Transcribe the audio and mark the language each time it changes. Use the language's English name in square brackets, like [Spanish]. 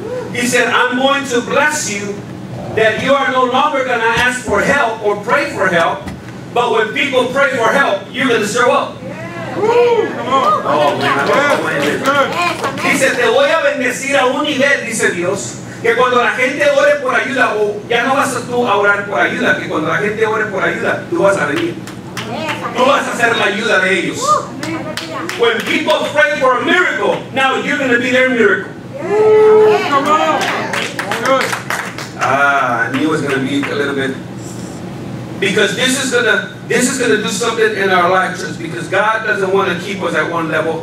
[English] He said, "I'm going to bless you that you are no longer going to ask for help or pray for help, but when people pray for help, you're going to show up." He said, [Spanish] "Te voy a bendecir a un nivel," dice Dios, "que cuando la gente ore por ayuda, ya no vas a tú a orar por ayuda, que cuando la gente ore por ayuda, tú vas a venir. Tú vas a ser la ayuda de ellos. [English] When people pray for a miracle, now you're going to be their miracle." Come on. Ah, I knew it was going to be a little bit. Because this is gonna do something in our lives, church, because God doesn't want to keep us at one level.